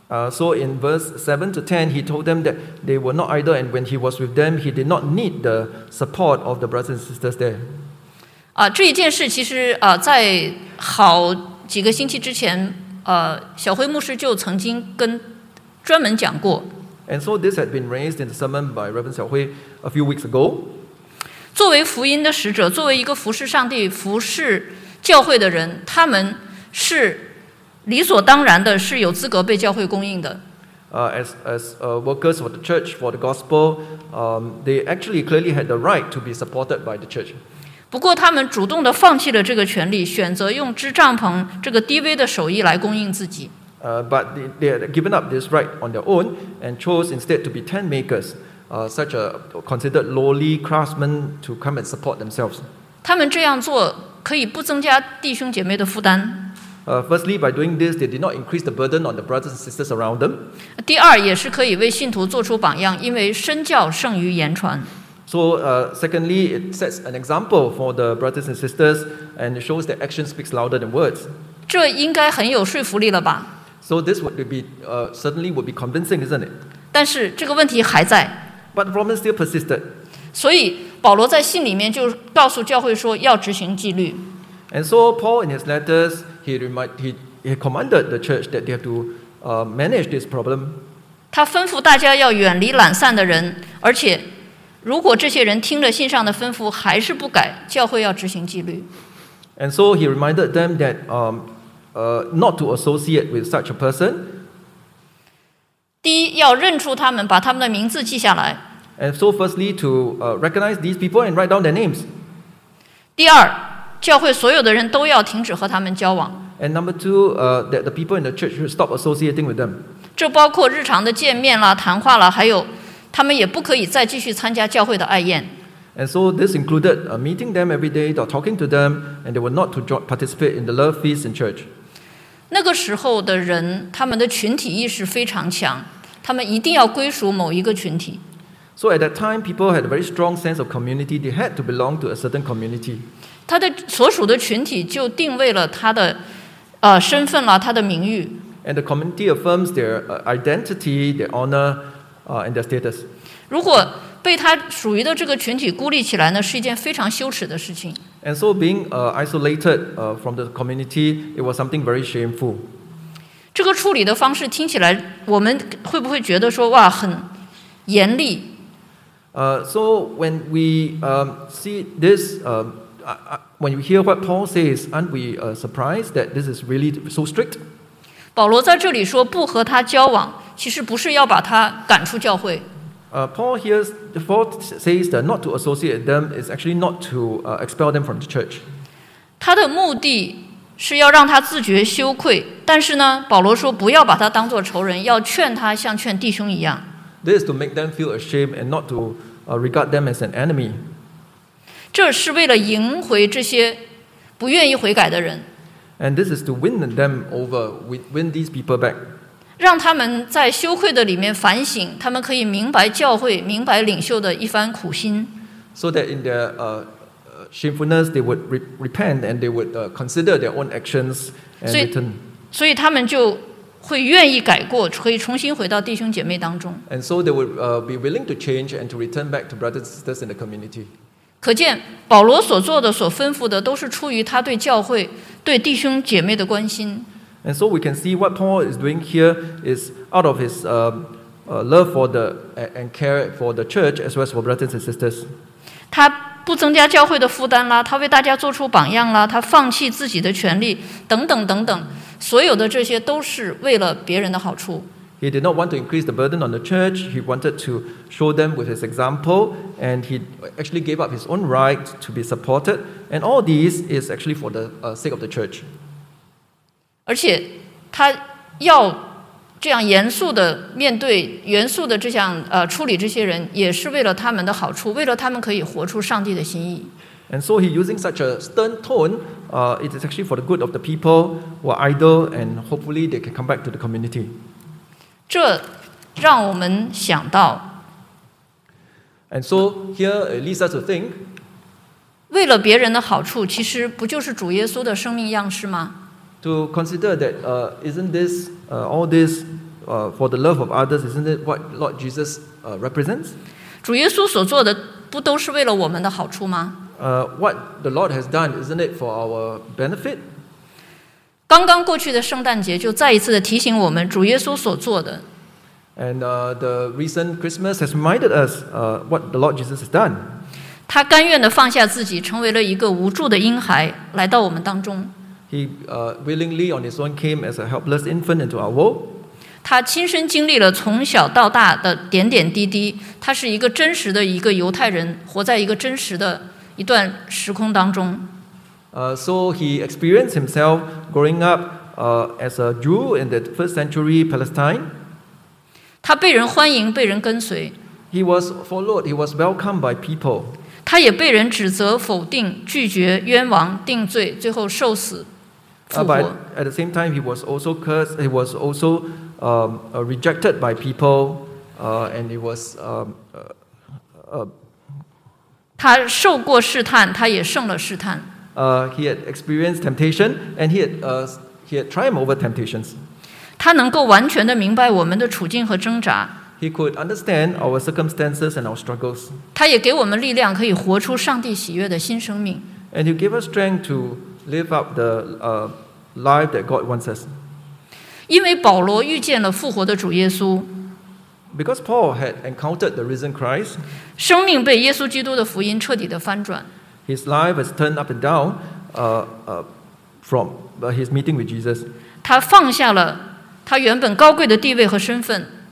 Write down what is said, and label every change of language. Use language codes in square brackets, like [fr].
[en] So in verse 7 to 10, he told them that they were not idle, and when he was with them, he did not need the support of the brothers and sisters there. [zh] 这一件事其实在好几个星期之前，小辉牧师就曾经跟专门讲过。 [en] And so this had been raised in the sermon by Reverend Xiao Hui a few weeks ago. [zh] 作为福音的使者，作为一个服侍上帝、服侍教会的人，他们是理所当然的，是有资格被教会供应的。 [en] As workers for the church for the gospel, they actually clearly had the right to be supported by the church. [zh] 不过他们主动的放弃了这个权利，选择用支帐篷这个低微的手艺来供应自己。 [en] But they had given up this right on their own and chose instead to be tent makers, such a considered lowly craftsmen to come and support themselves. [zh] 他们这样做可以不增加弟兄姐妹的负担。 [en] Firstly, by doing this, they did not increase the burden on the brothers and sisters around them. [zh] 第二，也是可以为信徒做出榜样，因为身教胜于言传。 [en] So, secondly, it sets an example for the brothers and sisters, and it shows that action speaks louder than words. [zh] 这应该很有说服力了吧？ [en] So this would be, certainly would be convincing, isn't it? [zh] 但是这个问题还在。 [en] But the problem still persisted. [zh] 所以保罗在信里面就告诉教会说要执行纪律。 [en] And so Paul, in his letters, he commanded the church that they have to manage this problem. [zh] 他吩咐大家要远离懒散的人，而且如果这些人听了信上的吩咐还是不改，教会要执行纪律。 [en] And so he reminded them that not to associate with such a person. [zh] 第一，要认出他们，把他们的名字记下来。 [en] And so firstly, to recognize these people and write down their names. [zh] 第二，教会所有的人都要停止和他们交往。 [en] And number two, that the people in the church should stop associating with them. [zh] 这包括日常的见面啦、谈话啦，还有他们也不可以再继续参加教会的爱宴。 [en] And so this included meeting them every day or talking to them, and they were not to participate in the love feast in church. [zh] 那个时候的人，他们的群体意识非常强，他们一定要归属某一个群体。 [en] So at that time, people had a very strong sense of community. They had to belong to a certain community. [zh] 他的所属的群体就定位了他的身份了，他的名誉。 [en] And the community affirms their identity, their honor, and their status. [zh] 如果被他属于的这个群体孤立起来呢，是一件非常羞耻的事情。 [en] And so being isolated from the community, it was something very shameful. [zh] 这个处理的方式听起来，我们会不会觉得说哇很严厉？ [en] So when we see this, when you hear what Paul says, aren't we surprised that this is really so strict? [zh] 保罗在这里说不和他交往，其实不是要把他赶出教会。 [en] Paul here, Paul says that not to associate them is actually not to expel them from the church. [zh] 他的目的是要让他自觉羞愧，但是呢，保罗说不要把他当作仇人，要劝他像劝弟兄一样。 [en] This is to make them feel ashamed and not to regard them as an enemy. [zh] 这是为了赢回这些不愿意悔改的人。 [en] And this is to win them over, win these people back. [zh] 让他们在羞愧的里面反省，他们可以明白教会、明白领袖的一番苦心。 [en] So that in their shamefulness, they would repent and they would consider their own actions and return. [zh] 所以他们就会愿意改过，可以重新回到弟兄姐妹当中。 [en] And so they would be willing to change and to return back to brothers and sisters in the community. [zh] 可见保罗所做的、所吩咐的，都是出于他对教会、对弟兄姐妹的关心。 [en] And so we can see what Paul is doing here is out of his love for the and care for the church as well as for brothers and sisters. [zh] 他不增加教会的负担啦，他为大家做出榜样啦，他放弃自己的权利等等等等。所有的这些都是为了别人的好处。 [en] He did not want to increase the burden on the church. He wanted to show them with his example, and he actually gave up his own right to be supported. And all these is actually for the sake of the church. [zh] 而且他要这样严肃的面对、严肃的这样处理这些人，也是为了他们的好处，为了他们可以活出上帝的心意。 [en] And so he using such a stern tone, it is actually for the good of the people who are idle, and hopefully they can come back to the community. [zh] 这让我们想到。 [en] And so here it leads us to think. [zh] 为了别人的好处，其实不就是主耶稣的生命样式吗？ [en] To consider that, isn't this, all this, for the love of others, isn't it what Lord Jesus, represents? [zh] 主耶稣所做的不都是为了我们的好处吗？ [en] What the Lord has done, isn't it for our benefit? [zh] 刚刚过去的圣诞节就再一次的提醒我们主耶稣所做的。 [en] And the recent Christmas has reminded us, what the Lord Jesus has done. [zh] 他甘愿的放下自己，成为了一个无助的婴孩，来到我们当中。 [en] He willingly on his own came as a helpless infant into our world. [zh] 他亲身经历了从小到大的点点滴滴，他是一个真实的一个犹太人，活在一个真实的一段时空当中。 [en] So he experienced himself growing up as a Jew in the first century Palestine. [zh] 他被人欢迎，被人跟随。 [en] He was followed, he was welcomed by people. [zh] 他也被人指责、否定、拒绝、冤枉、定罪，最后受死、复活。 [en] But at the same time, he was also cursed. He was also rejected by people, and he was [zh] 他受过试探，他也胜了试探。 [en] He had experienced temptation, and he had triumphed over temptations. [zh] 他能够完全的明白我们的处境和挣扎。 [en] He could understand our circumstances and our struggles. [zh] 他也给我们力量，可以活出上帝喜悦的新生命。 [en] And he gave us strength to live up the life that God wants us. [zh] 因为保罗遇见了复活的主耶稣。 [en] Because Paul had encountered the risen Christ. [zh] 生命被耶稣基督的福音彻底的翻转。 [en] His life was turned up and down, from his meeting with Jesus. [zh] 他放下了他原本高贵的地位和身份。